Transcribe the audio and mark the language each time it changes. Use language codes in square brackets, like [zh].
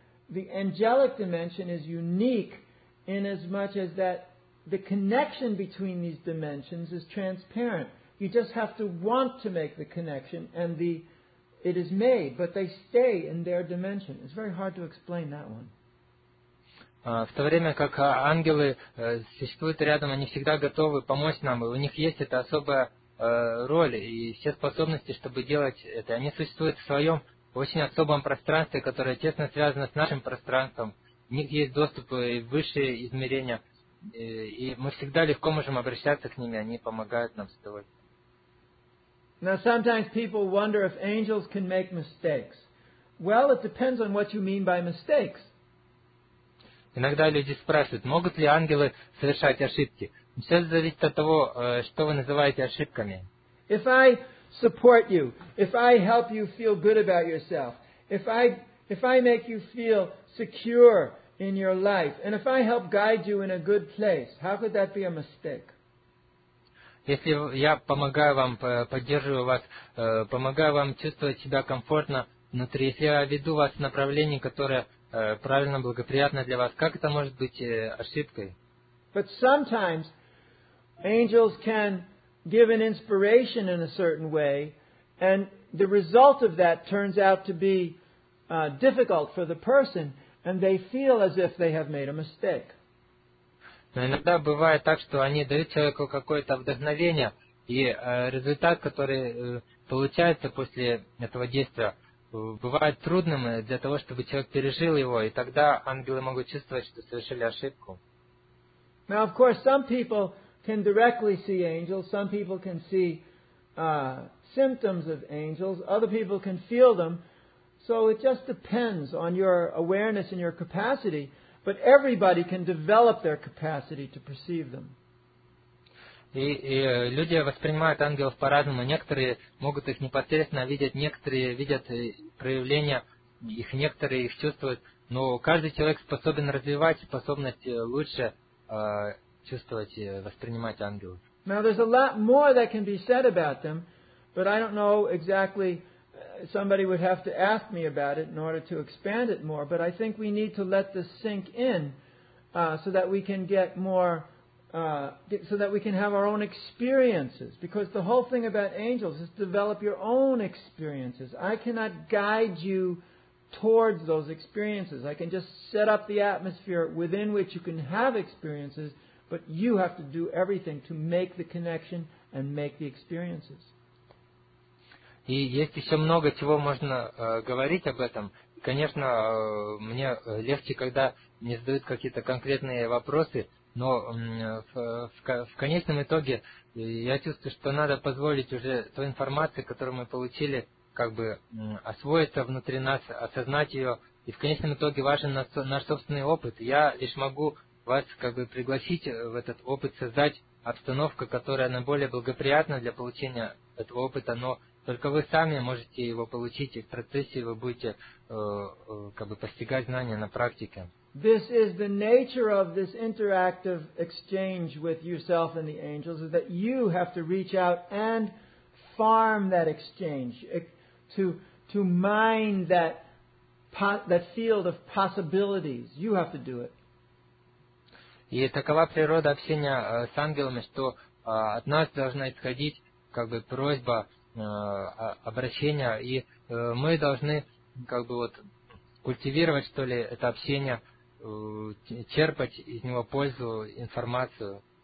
[en] The angelic dimension is unique in as much as that the connection between these dimensions is transparent. You just have to want to make the connection and it is made, but they stay in their dimension. It's very hard to explain that one. [ru] В то время как ангелы существуют рядом, они всегда готовы помочь нам, и у них есть эта особая роль и все способности, чтобы делать это. Они существуют в своем очень особом пространстве, которое тесно связано с нашим пространством. У них есть доступ и в высшие измерения, и мы всегда легко можем обращаться к ним, и они помогают нам с тобой. [en] Now, sometimes people wonder if angels can make mistakes. Well, it depends on what you mean by mistakes. [ru] Иногда люди спрашивают, могут ли ангелы совершать ошибки. Все зависит от того, что вы называете ошибками. [en] If I support you, if I help you feel good about yourself, if I make you feel secure in your life, and if I help guide you in a good place, how could that be a mistake? [ru] Если я помогаю вам, поддерживаю вас, помогаю вам чувствовать себя комфортно внутри, если я веду вас в направлении, которое правильно, благоприятно для вас, как это может быть ошибкой? [en] But sometimes angels can give an inspiration in a certain way, and the result of that turns out to be difficult for the person, and they feel as if they have made a mistake. [ru] Но иногда бывает так, что они дают человеку какое-то вдохновение, и результат, который получается после этого действия, бывает трудным для того, чтобы человек пережил его, и тогда ангелы могут чувствовать, что совершили ошибку. [en] Now, of course, some people can directly see angels, some people can see symptoms of angels, other people can feel them. So it just depends on your awareness and your capacity, but everybody can develop their capacity to perceive them. [ru] И люди воспринимают ангелов по-разному. Некоторые могут их непосредственно видеть, некоторые видят проявления их, некоторые их чувствуют. Но каждый человек способен развивать способность лучше чувствовать и воспринимать ангелов. [en] Now there's a lot more that can be said about them, but I don't know exactly. Somebody would have to ask me about it in order to expand it more. But I think we need to let this sink in, so that we can get more. So that we can have our own experiences, because the whole thing about angels is develop your own experiences. I cannot guide you towards those experiences. I can just set up the atmosphere within which you can have experiences, but you have to do everything to make the connection and make the experiences. [ru] И есть еще много чего можно говорить об этом. Конечно, мне легче, когда мне задают какие-то конкретные вопросы. Но в конечном итоге я чувствую, что надо позволить уже той информации, которую мы получили, как бы освоиться внутри нас, осознать ее. И в конечном итоге важен наш собственный опыт. Я лишь могу вас как бы пригласить в этот опыт, создать обстановку, которая наиболее благоприятна для получения этого опыта, но только вы сами можете его получить, и в процессе вы будете как бы постигать знания на практике. [en] This is the nature of this interactive exchange with yourself and the angels, is that you have to reach out and farm that exchange, to mine that field of possibilities. You have to do it. [ru] И такова природа общения с ангелами, что от нас должна исходить как бы просьба, обращение, и мы должны как бы вот культивировать, что ли, это общение, черпать из него пользу, информацию.